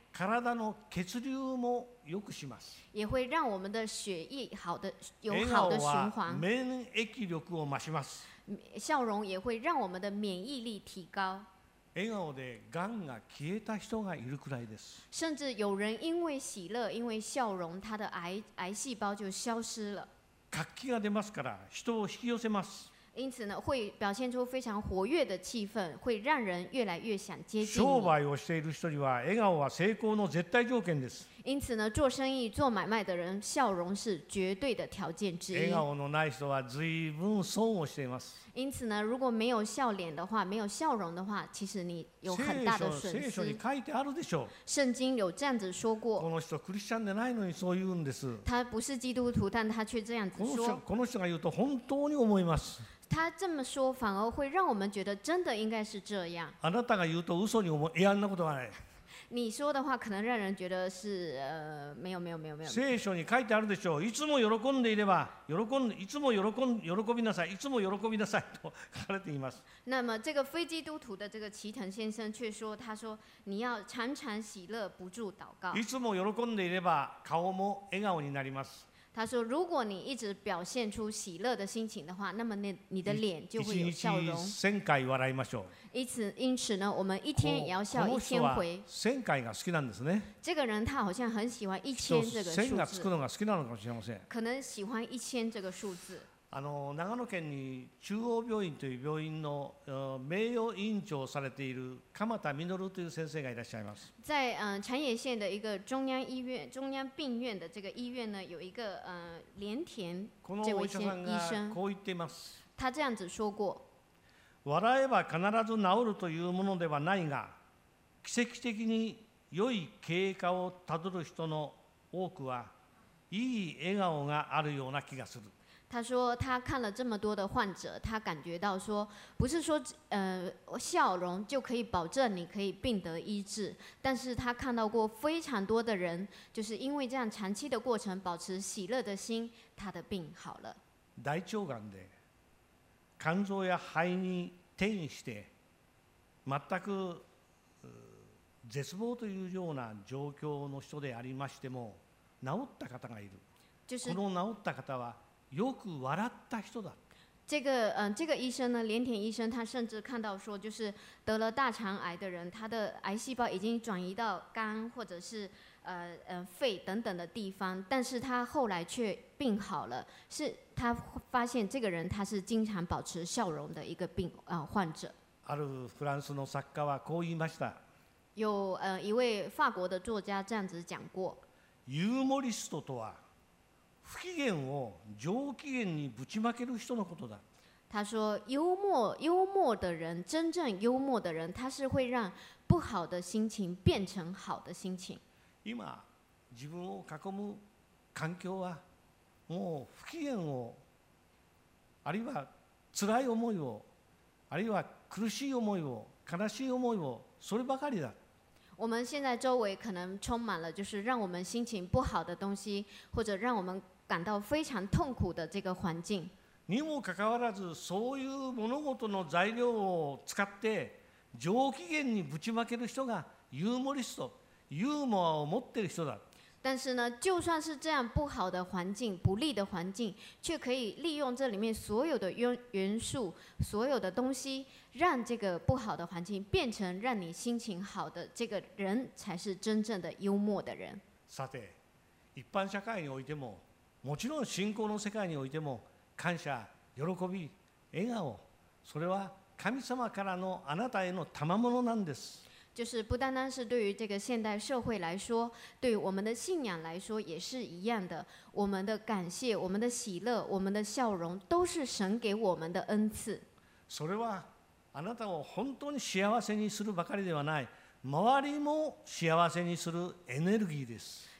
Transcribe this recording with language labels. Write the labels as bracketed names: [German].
[Japanese] 体の血流も良くします。 [Chinese] 也会让我们的血液好的有好的循环。 [Japanese] 免疫力を増します。 [Chinese] 笑容也会让我们的免疫力提高。 [Japanese] 笑顔で癌が消えた人がいるくらいです。 [Chinese] 甚至有人因为喜乐、因为笑容、他的癌细胞就消失了。 [Japanese] 活気が出ますから人を引き寄せます。 [Chinese] 因此呢会表现出非常活跃的气氛，会让人越来越想接近你。 [Japanese] 商売をしている人には笑顔は成功の絶対条件です。 [Chinese] 因此呢做生意做买卖的人笑容是绝对的条件之一。 [Japanese] 笑顔のない人は随分損をしています。 [Chinese] 因此呢如果没有笑脸的话，没有笑容的话，其实你有很大的损失。 [Japanese] 聖書に書いてあるでしょう。 [Chinese] 圣经有这样子说过， [Japanese] この人クリスチャンでないのにそう言うんです。 [Chinese] 他不是基督徒但他却这样子说。 [Japanese] この人が言うと本当に思います。 [Chinese] 他这么说反而会让我们觉得真的应该是这样。 [Japanese] あなたが言うと嘘に思う。いや、んなことはない。 [Chinese] 你说的话可能让人觉得是没有没有没有没有。 [Japanese] 聖書に書いてあるでしょう。いつも喜んでいれば喜んいつも喜びなさい、いつも喜びなさいと書かれています。 [Chinese] 那么这个非基督徒的这个齐藤先生却说，他说你要常常喜乐，不住祷告。 [Japanese] いつも喜んでいれば顔も笑顔になります。 [Chinese] 他说如果你一直表现出喜乐的心情的话，那么你的脸就会有笑容。 [Japanese] 一日千回笑いましょう。 [Chinese] 因此呢我们一天也要笑一千回。 [Japanese] この人は千回が好きなんですね。 [Chinese] 这个人他好像很喜欢一千这个数字。 [Japanese] 千がつくのが好きなのかもしれません。 [Chinese] 可能喜欢一千这个数字。 [Japanese] あの長野県に中央病院という病院の名誉委員長をされている鎌田実という先生がいらっしゃいます。 [Chinese] 在長野县的一个中央医院中央病院的这个医院呢有一个连田这位先生。 [Japanese] このお医者さんがこう言っています。 [Chinese] 他这样子说过， [Japanese] 笑えば必ず治るというものではないが、奇跡的に良い経過をたどる人の多くはいい笑顔があるような気がする。 [Chinese] 他说他看了这么多的患者，他感觉到说不是说笑容就可以保证你可以病得医治，但是他看到过非常多的人就是因为这样长期的过程保持喜乐的心，他的病好了。 [Japanese] 大腸癌で肝臓や肺に転移して全く絶望というような状況の人でありましても治った方がいる。 [Chinese] 就是 [Japanese] この治った方はよく笑った人だ。 [Chinese] 这个医生呢，连田医生，他甚至看到说，就是得了大肠癌的人，他的癌细胞已经转移到肝或者是肺等等的地方，但是他后来却病好了。是他发现这个人他是经常保持笑容的一个病患者。 [Japanese] あるフランスの作家はこう言いました。 [Chinese] 有一位法国的作家这样子讲过。 [Japanese] ユーモリストとは。不機嫌を上機嫌にぶちまける人のことだ。 [Chinese] 他说幽默的人，真正幽默的人，他是会让不好的心情变成好的心情。 [Japanese] 今自分を囲む環境はもう不機嫌をあるいは辛い思いをあるいは苦しい思いを悲しい思いをそればかりだ。 [Chinese] 我们现在周围可能充满了就是让我们心情不好的东西，或者让我们感到非常痛苦的这个环境。 [Japanese] にもかかわらず、そういう物事の材料を使って上機嫌にぶちまける人がユーモリスト、ユーモアを持っている人だ。 [Chinese] 但是呢，就算是这样不好的环境、不利的环境，却可以利用这里面所有的元素、所有的东西，让这个不好的环境变成让你心情好的这个人，才是真正的幽默的人。 [Japanese] さて、一般社会においても、もちろん信仰の世界においても、感謝、喜び、笑顔、それは神様からのあなたへの賜物なんです。 [Chinese] 就是不单单是对于这个现代社会来说，对于我们的信仰来说也是一样的。我们的感谢、我们的喜乐、我们的笑容，都是神给我们的恩赐。 [Japanese] それはあなたを本当に幸せにするばかりではない、周りも幸せにするエネルギーです。